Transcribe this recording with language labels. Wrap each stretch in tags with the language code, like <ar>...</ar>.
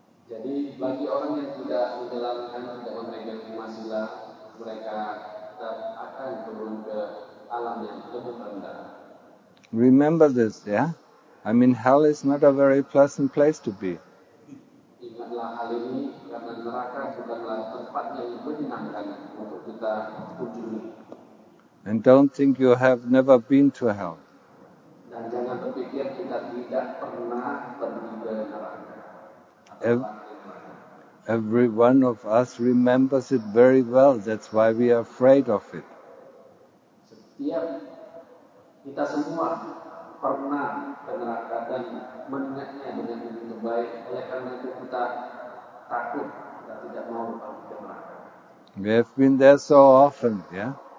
<id>Jadi bagi orang yang tidak menjalankan atau memegang lima sila, mereka tetap akan turun ke alam yang lebih rendah.</id> <en>Remember this, yeah? I mean, hell is not a very pleasant place to be.</en> <id>Ingatlah hal ini, karena neraka bukanlah tempat yang menyenangkan untuk kita kunjungi.</id> <en>And don't think you have never been to hell.</en> <id>Dan jangan berpikir kita tidak pernah pergi ke neraka.</id> <en>Every one of us remembers it very well. That's why we are afraid of it.</en> <id>Setiap kita semua pernah ke neraka dan mengingatnya dengan begitu baik. Oleh karena itu kita takut, kita tidak mau pergi ke neraka.</id> <en>We have been there so often, yeah.</en>